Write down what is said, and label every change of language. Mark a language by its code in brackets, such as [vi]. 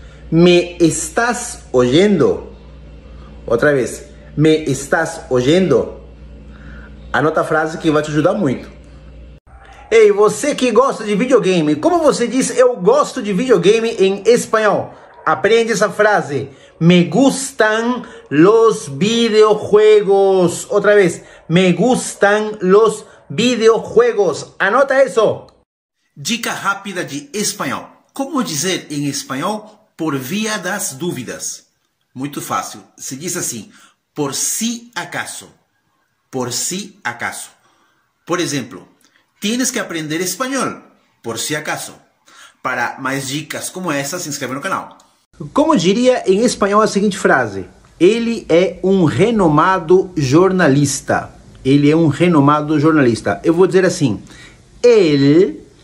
[es] Me estás oyendo? [pt] Outra vez. [es] Me estás oyendo? [pt] Anota a frase que vai te ajudar muito. Ei, você que gosta de videogame, como você diz eu gosto de videogame em espanhol? Aprende essa frase. [es] Me gustan los videojuegos. Otra vez. Me gustan los videojuegos. Anota eso. [pt] Dica rápida de español. [es] ¿Cómo decir en español [pt] por vía das dúvidas? [es] Muy fácil. Se dice así. Por si acaso. Por si acaso. Por ejemplo. Tienes que aprender español. Por si acaso. Para más dicas como esa, se inscribe en el canal. [pt] Como diria em espanhol a seguinte frase? Ele é um renomado jornalista. Ele é um renomado jornalista. Eu vou dizer assim. Él